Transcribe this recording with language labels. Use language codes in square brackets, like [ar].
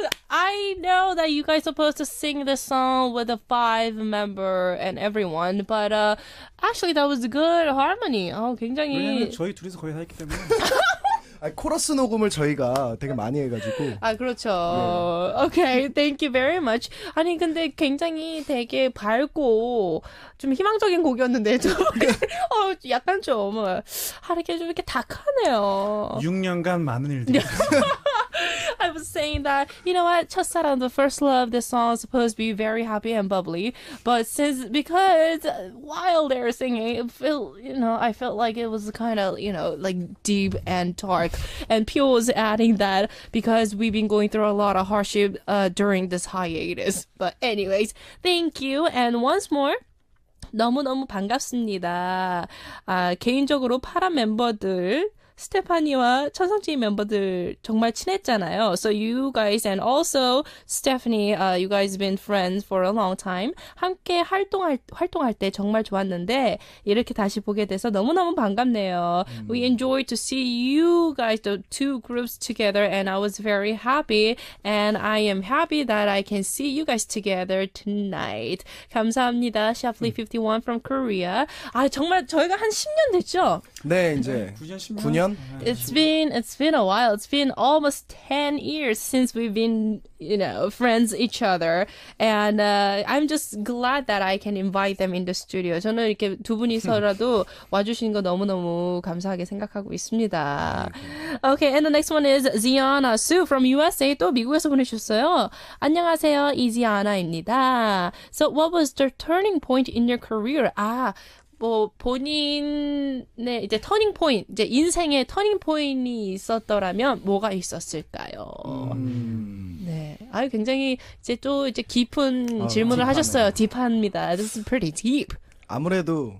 [en] I know that you guys are supposed to sing this song with a five member and everyone, but actually that was a good harmony. [ko] Oh, 굉장히. 왜냐면 저희 둘이서 거의 다 했기 때문에. 아, 코러스 녹음을 저희가 되게 많이 해가지고. 아, 그렇죠. [en] 네. Okay, thank you very much. [ko] 아니, 근데 굉장히 되게 밝고 좀 희망적인 곡이었는데, 좀. 어, 약간 좀, 하루에 좀 이렇게 닭하네요. 6년간 많은 일들. [en] I was saying that, you know what, 첫사랑, the first love, this song is supposed to be very happy and bubbly. But since, because while they were singing, it felt, you know, I felt like it was kind of, you know, like deep and dark. And Pio was adding that because we've been going through a lot of hardship during this hiatus. But anyways, thank you. And once more. [ko] 너무너무 반갑습니다. 아, 개인적으로 파란 멤버들. 스테파니와 천성지 멤버들 정말 친했잖아요. [en] So you guys and also Stephanie, you guys been friends for a long time. [ko] 함께 활동할 때 정말 좋았는데 이렇게 다시 보게 돼서 너무너무 반갑네요. [en] We enjoyed to see you guys, the two groups together and I was very happy and I am happy that I can see you guys together tonight. [ko] 감사합니다. [en] Shafley 51 from Korea. [ko] 아 정말 저희가 한 10년 됐죠? 네, 이제 9년, 10년 [en] It's been a while. It's been almost 10 years since we've been, you know, friends each other. And I'm just glad that I can invite them in the studio. [ko] 저는 이렇게 두 분이서라도 와주신 거 너무너무 감사하게 생각하고 있습니다. [en] Okay, and the next one is Ziana Su from USA. [ko] 또 미국에서 보내주셨어요. 안녕하세요, 이지아나입니다. [en] So what was the turning point in your career? [ko] 아, 뭐 본인의 이제 터닝 포인트 이제 인생의 터닝 포인트이 있었더라면 뭐가 있었을까요? 네, 아 굉장히 이제 또 이제 깊은 질문을 하셨어요. 딥합니다. [en] This is pretty deep. [ko] 아무래도